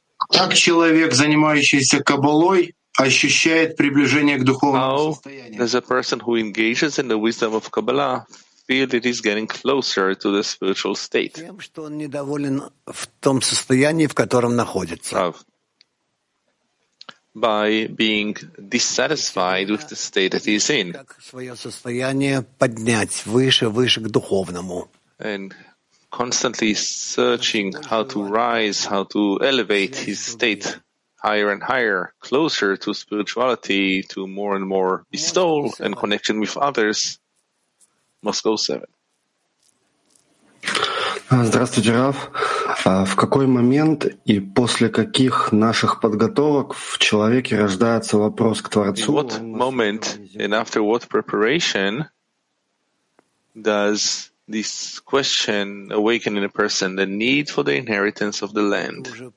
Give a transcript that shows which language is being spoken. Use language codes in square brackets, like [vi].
[ru] Как человек, занимающийся каббалой, ощущает приближение к духовному состоянию? [en] How does a person who engages in the wisdom of Kabbalah feel that he's getting closer to the spiritual state? [ru] Тем, что он недоволен в том состоянии, в котором находится. [en] By being dissatisfied with the state that he's in. [ru] Как свое состояние поднять выше, выше к духовному? [en] And constantly searching how to rise, how to elevate his state higher and higher, closer to spirituality, to more and more bestowal and connection with others. Moscow 7. [ru] Здравствуйте, Рав. В какой момент и после каких наших подготовок в человеке рождается вопрос к Творцу? [en] What moment and after what preparation does this question awaken in a person the need for the inheritance of the land?